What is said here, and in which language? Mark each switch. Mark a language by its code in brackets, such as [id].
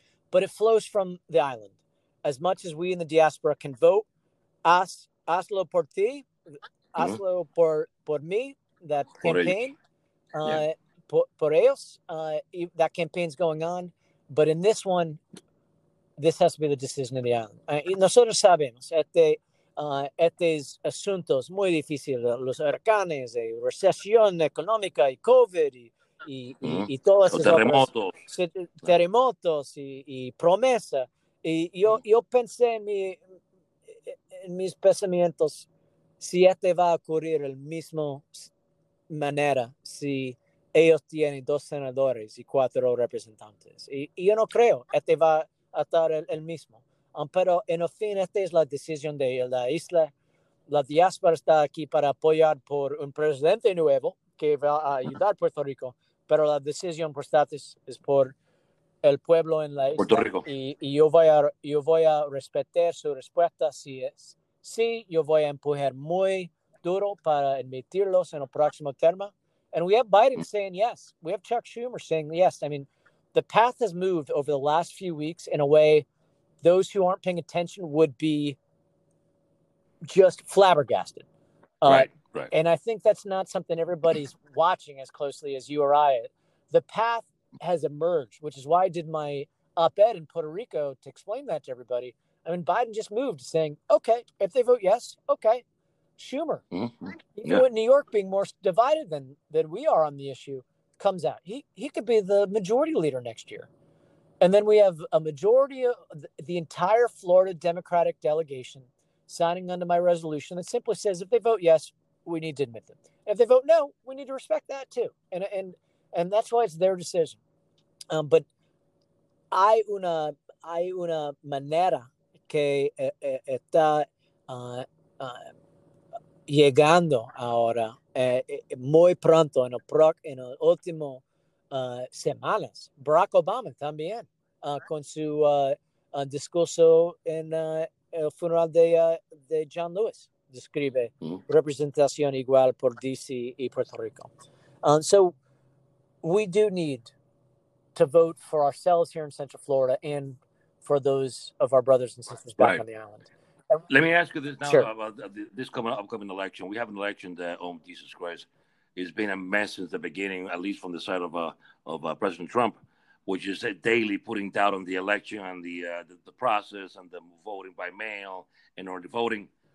[en] But it flows from the island. As much as we in the diaspora can vote, [es] hazlo por ti, hazlo por mí, [en] that campaign, [es] por ellos, [en] that campaign's going on. But in this one, this has to be the decision of the island. [es] Nosotros sabemos, estos asuntos muy difíciles, los huracanes, la recesión económica y COVID y todas esas terremotos. Terremotos y promesa. Y yo pensé en mis pensamientos, si este va a ocurrir de la misma manera, si ellos tienen 2 senadores y 4 representantes. Y yo no creo, este va a estar el mismo. Pero en el fin, esta es la decisión de la isla. La diáspora está aquí para apoyar por un presidente nuevo que va a ayudar a Puerto Rico, pero la decisión por status es por el pueblo en la isla. Puerto Rico. Y yo voy a respetar su respuesta si es sí. Yo voy a empujar muy duro para admitirlos en el próximo termo. [en] And we have Biden saying yes. We have Chuck Schumer saying yes. I mean, the path has moved over the last few weeks in a way those who aren't paying attention would be just flabbergasted. Right. And I think that's not something everybody's watching as closely as you or I. The path has emerged, which is why I did my op-ed in Puerto Rico to explain that to everybody. I mean, Biden just moved saying, okay, if they vote yes, okay. Schumer, even with New York being more divided than we are on the issue, comes out. He could be the majority leader next year. And then we have a majority of the entire Florida Democratic delegation signing under my resolution that simply says, if they vote yes, we need to admit them. If they vote no, we need to respect that too. And that's why it's their decision. But [es] hay una manera está llegando ahora muy pronto en el último semanas. Barack Obama también con su discurso en el funeral de John Lewis describe representación igual por DC y Puerto Rico. [en] So we do need to vote for ourselves here in Central Florida and for those of our brothers and sisters back on the island. Let me ask you this now about this upcoming election. We have an election that, oh, Jesus Christ, it's been a mess since the beginning, at least from the side of President Trump, which is daily putting doubt on the election and the process and the voting by mail and early voting.